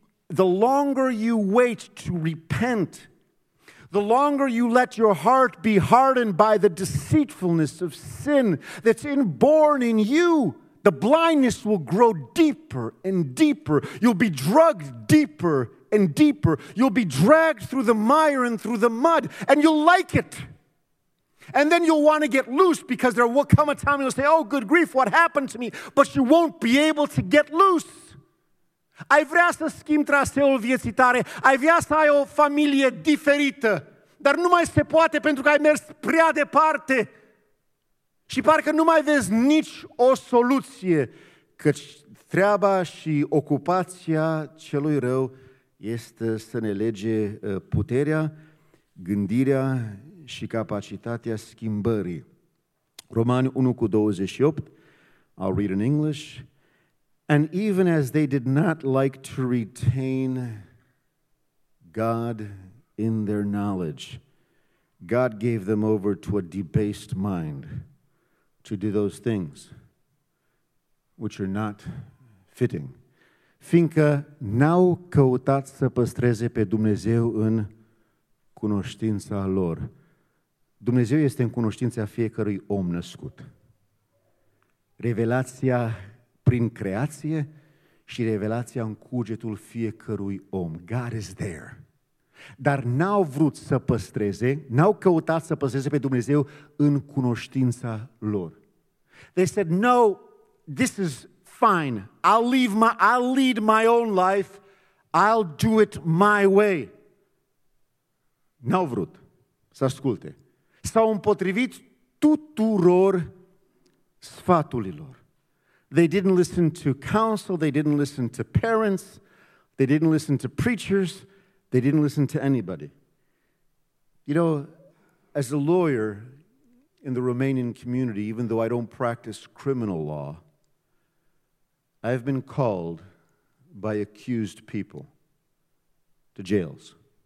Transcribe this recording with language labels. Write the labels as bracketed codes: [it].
[en] The longer you wait to repent, the longer you let your heart be hardened by the deceitfulness of sin that's inborn in you, the blindness will grow deeper and deeper. You'll be drugged deeper and deeper. You'll be dragged through the mire and through the mud, and you'll like it. And then you'll want to get loose because there will come a time you'll say, oh, good grief, what happened to me? But you won't be able to get loose. [ro] Ai vrea să schimbi traseul vieții tale, ai vrea să ai o familie diferită, dar nu mai se poate pentru că ai mers prea departe și parcă nu mai vezi nici o soluție, căci treaba și ocupația celui rău este să ne lege puterea, gândirea și capacitatea schimbării. [en] Romani 1:28, I'll read in English. And even as they did not like to retain God in their knowledge, God gave them over to a debased mind to do those things which are not fitting. [ro] Fiindcă n-au căutat să păstreze pe Dumnezeu în cunoștința lor. Dumnezeu este în cunoștința fiecărui om născut. Revelația prin creație și revelația în cugetul fiecărui om. [en] God is there. [ro] Dar n-au vrut să păstreze, n-au căutat să păstreze pe Dumnezeu în cunoștința lor. [en] They said, no, this is fine. I'll lead my own life. I'll do it my way. [ro] N-au vrut să asculte. S-au împotrivit tuturor sfaturilor. [en] They didn't listen to counsel, they didn't listen to parents, they didn't listen to preachers, they didn't listen to anybody. You know, as a lawyer in the Romanian community, even though I don't practice criminal law, I've been called by accused people to jails.